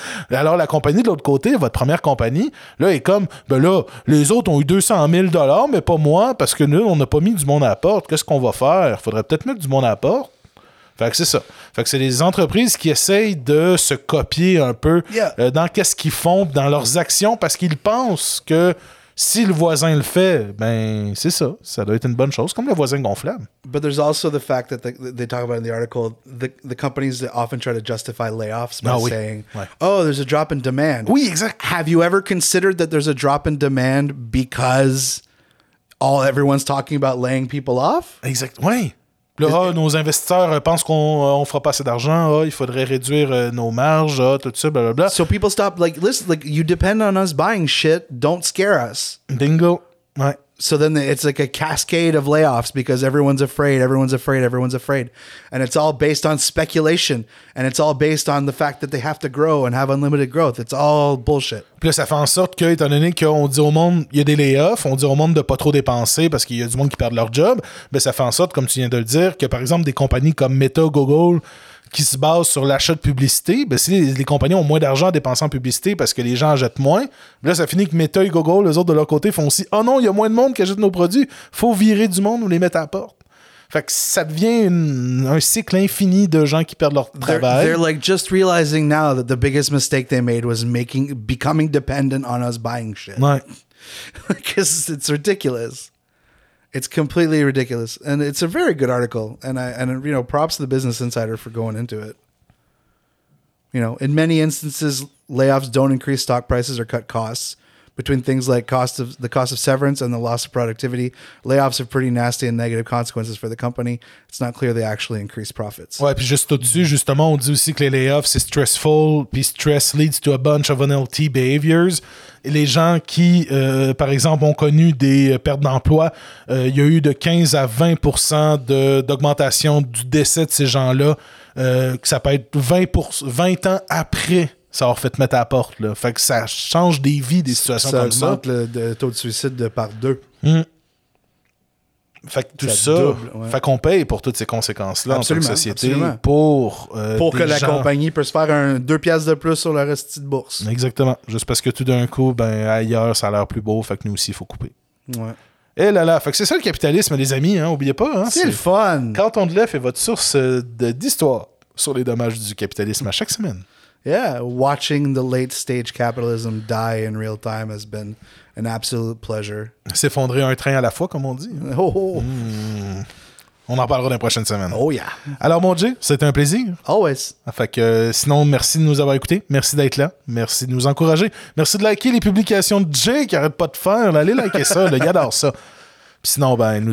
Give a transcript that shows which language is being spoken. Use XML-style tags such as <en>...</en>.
<fr>Alors, la compagnie de l'autre côté, votre première compagnie, là, est comme, ben là, les autres ont eu 200 000 $ mais pas moi, parce que nous, on n'a pas mis du monde à la porte. Qu'est-ce qu'on va faire? Faudrait peut-être mettre du monde à la porte. Fait que c'est ça. Fait que c'est les entreprises qui essayent de se copier un peu dans qu'est-ce qu'ils font, dans leurs actions, parce qu'ils pensent que si le voisin le fait, ben c'est ça. Ça doit être une bonne chose, comme le voisin gonflable.</fr> <en>But there's also the fact that they talk about in the article, the companies that often try to justify layoffs by saying, oh, there's a drop in demand.</en> <fr>Oui, exact.</fr> <en>Have you ever considered that there's a drop in demand because everyone's talking about laying people off?</en> <fr>Exact. Oui. Là, nos investisseurs pensent qu'on ne fera pas assez d'argent, il faudrait réduire nos marges, tout ça, blablabla.</fr> <en>So people stop, like, listen, like, you depend on us buying shit, don't scare us.</en> <fr>Bingo. Ouais.</fr> <en>So then it's like a cascade of layoffs because everyone's afraid. And it's all based on speculation. And it's all based on the fact that they have to grow and have unlimited growth. It's all bullshit.</en> <fr>Puis là, ça fait en sorte que, étant donné qu'on dit au monde, il y a des layoffs, on dit au monde de pas trop dépenser parce qu'il y a du monde qui perd leur job, mais ça fait en sorte, comme tu viens de le dire, que par exemple, des compagnies comme Meta, Google, qui se base sur l'achat de publicité, ben si les compagnies ont moins d'argent à dépenser en publicité parce que les gens achètent moins, ben là, ça finit que Meta et Google, eux autres, de leur côté, font aussi « Oh non, il y a moins de monde qui achète nos produits. Faut virer du monde ou les mettre à la porte. » Fait que ça devient un cycle infini de gens qui perdent leur travail.</fr> <en>They're like just realizing now that the biggest mistake they made was becoming dependent on us buying shit.</en> <fr>Ouais.</fr> <en>Because it's ridiculous. It's completely ridiculous, and it's a very good article. And props to the Business Insider for going into it. You know, in many instances, layoffs don't increase stock prices or cut costs. Between things like cost of severance and the loss of productivity, layoffs have pretty nasty and negative consequences for the company. It's not clear they actually increase profits.</en> <fr>Ouais, puis juste au-dessus, justement, on dit aussi que les layoffs c'est stressful, puis</fr> <en>stress leads to a bunch of unhealthy behaviors.</en> <fr>Et les gens qui, par exemple, ont connu des pertes d'emploi, il y a eu de 15 à 20 % d'augmentation du décès de ces gens-là, que ça peut être 20 ans après. Ça leur fait te mettre à la porte, là. Fait que ça change des vies, des situations ça comme ça. Ça augmente le taux de suicide de par deux. Mmh. Fait que tout ça double, ouais. Fait qu'on paye pour toutes ces conséquences-là absolument, en tant que société. Pour que gens... la compagnie puisse faire un 2 piastres de plus sur leur resti de bourse. Exactement. Juste parce que tout d'un coup, ben ailleurs, ça a l'air plus beau. Fait que nous aussi, il faut couper. Ouais. Eh là là, fait que c'est ça le capitalisme, les amis, hein. Oubliez pas, hein. C'est le fun. Quand on te lève est votre source d'histoire sur les dommages du capitalisme à chaque semaine.</fr> <en>Yeah, watching the late stage capitalism die in real time has been an absolute pleasure.</en> <fr>S'effondrer un train à la fois, comme on dit. Oh, oh. On en parlera dans les prochaines semaines.</fr> <en>Oh yeah.</en> <fr>Alors mon Jay, c'était un plaisir.</fr> <en>Always.</en> <fr>Fait que sinon, merci de nous avoir écoutés. Merci d'être là. Merci de nous encourager. Merci de liker les publications de Jay qui arrête pas de faire. Allez liker ça, il adore ça. Sinon, ben, nous</fr>